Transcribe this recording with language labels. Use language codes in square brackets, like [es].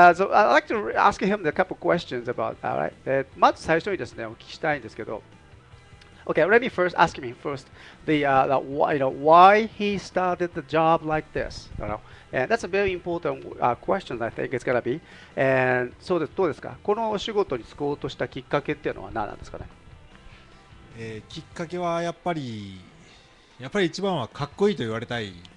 [en] So I'd like to ask him a couple questions about. All right. [ja] まず最初にですね、お聞きしたいんですけど。 [en] Okay, let me first ask me first the why, why he started the job like this, and that's a very important question I think it's gonna be. And so [ja] どうですか、このお仕事に就こうとしたきっかけっていうのは何なんですかね。きっかけはやっぱり一番はかっこいいと言われたい。